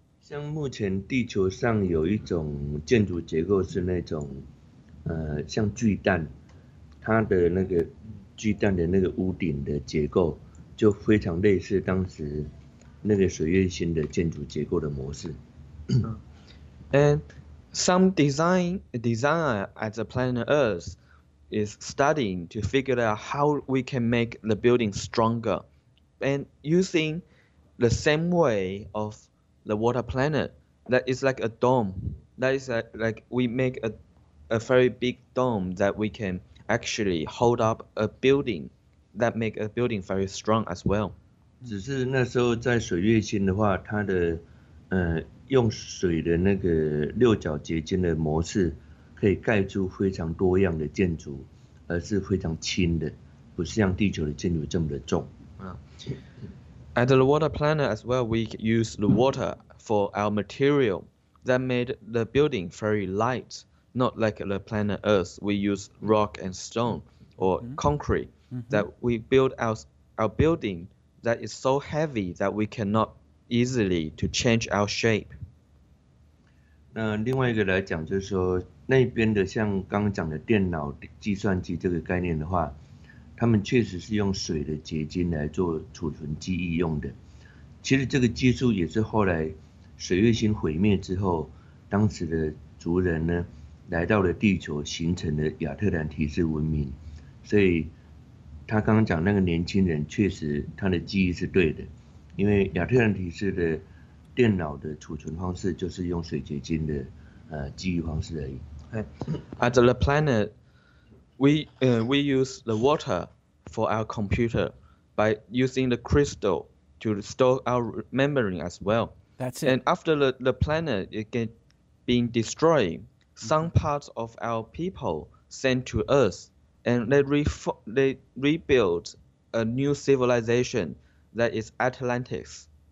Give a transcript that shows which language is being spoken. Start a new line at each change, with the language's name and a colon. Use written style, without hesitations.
Chinese: 像目前地球上有一种建筑结构是那种像巨蛋，它的那个巨蛋的那个屋顶的结构就非常类似当时那个水月星的建筑结构的模式。
English: And some designer at the planet Earth is studying to figure out how we can make the building stronger and using the same way ofthe water planet, that is like a dome. That is like we make a very big dome that we can actually hold up a building that make a building very strong as well.
Chinese: 只是那时候在水月星的话，它的用水的那个六角结晶的模式可以盖住非常多样的建筑，而是非常轻的，不是像地球的建筑这么的重。
English: At the water planet as well, we use the water for our material that made the building very light, not like the planet Earth. We use rock and stone or concrete that we build our building that is so heavy that we cannot easily to change our shape.
Chinese: 那另外一个来讲就是说，那边的像刚刚讲的电脑计算机这个概念的话，他们确实是用水的结晶来做储存记忆用的。其实这个技术也是后来水月星毁灭之后，当时的族人呢来到了地球，形成了亚特兰提斯文明。所以他刚刚讲那个年轻人，确实他的记忆是对的，因为亚特兰提斯的电脑的储存方式就是用水结晶的记忆方式而已。
English: At the planet. We use the water for our computer by using the crystal to store our memory as well. That's it. And after the planet is being destroyed, some parts of our people sent to Earth, and they rebuild a new civilization that is Atlantis.